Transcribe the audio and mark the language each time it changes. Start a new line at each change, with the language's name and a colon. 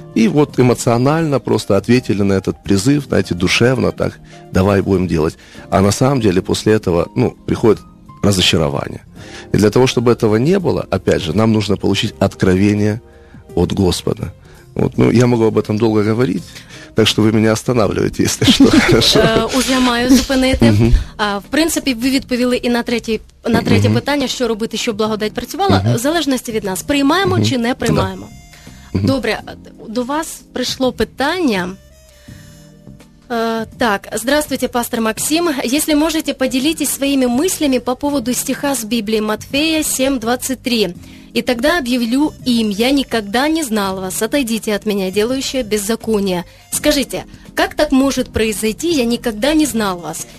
Russian: И вот эмоционально просто ответили на этот призыв, знаете, душевно так, давай будем делать. А на самом деле после этого, ну, приходит разочарование. И для того, чтобы этого не было, опять же, нам нужно получить откровение от Господа. Вот, ну, я могу об этом долго говорить.
Ukrainian: Так що ви мене останавливаєте, якщо що. Уже маю зупинити. В принципі, ви відповіли і на третє питання, що робити, щоб благодать працювала. В залежності від нас, приймаємо чи не приймаємо. Добре, до вас прийшло питання.
Russian: Так, здравствуйте, пастор Максим. Если можете, поделитесь своими мыслями по поводу стиха с Библии Матфея 7:23. «И тогда объявлю им, я никогда не знал вас, отойдите от меня, делающие беззаконие». Скажите, как так может произойти, я никогда не знал вас?